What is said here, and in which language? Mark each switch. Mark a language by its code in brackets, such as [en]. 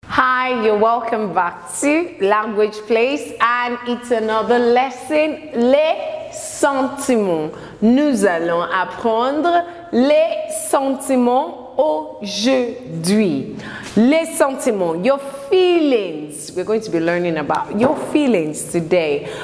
[en] Hi, you're welcome back to Language Place, and it's another lesson, les sentiments. [fr] Nous allons apprendre les sentiments aujourd'hui. [en] Les sentiments, your feelings. We're going to be learning about your feelings today.